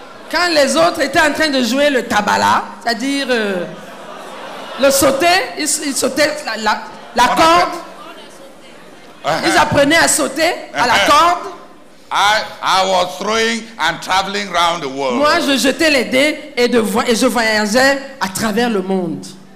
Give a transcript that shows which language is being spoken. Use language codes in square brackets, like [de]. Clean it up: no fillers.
[fr] Quand les autres étaient en train de jouer le tabala, c'est-à-dire le sauter, ils sautaient la corde. Ils apprenaient à sauter à la corde. [en] I was throwing and traveling around the world. [fr] Moi, je jetais les dés et je voyageais à travers le monde.